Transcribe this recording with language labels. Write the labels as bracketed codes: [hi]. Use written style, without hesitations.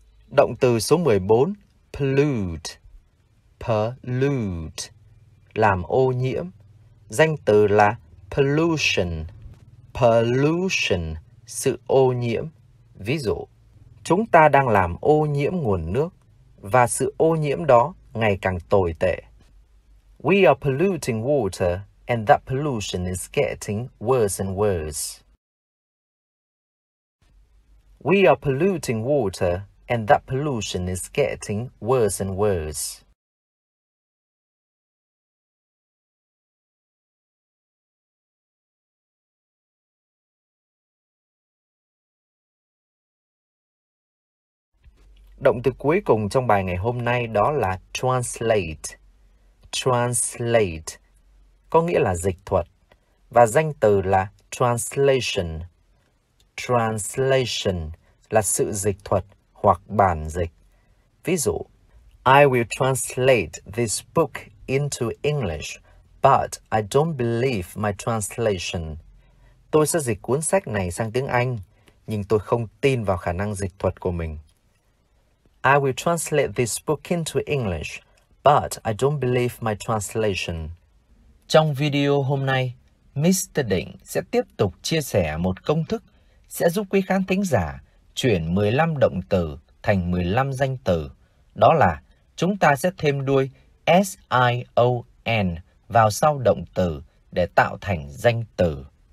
[vi] Động từ số 14, pollute. Pollute, làm ô nhiễm. Danh từ là pollution. Pollution, sự ô nhiễm. Ví dụ, chúng ta đang làm ô nhiễm nguồn nước và sự ô nhiễm đó ngày càng tồi tệ. [en] We are polluting water and that pollution is getting worse and worse. We are polluting water and that pollution is getting worse and worse. [vi] Động từ cuối cùng trong bài ngày hôm nay đó là translate. Translate có nghĩa là dịch thuật và danh từ là translation. Translation là sự dịch thuật hoặc bản dịch. Ví dụ, [en] I will translate this book into English, but I don't believe my translation. [vi] Tôi sẽ dịch cuốn sách này sang tiếng Anh, nhưng tôi không tin vào khả năng dịch thuật của mình. [en] I will translate this book into English, but I don't believe my translation. [vi] Trong video hôm nay, Mr. Định sẽ tiếp tục chia sẻ một công thức sẽ giúp quý khán thính giả chuyển 15 động từ thành 15 danh từ. Đó là chúng ta sẽ thêm đuôi S-I-O-N vào sau động từ để tạo thành danh từ.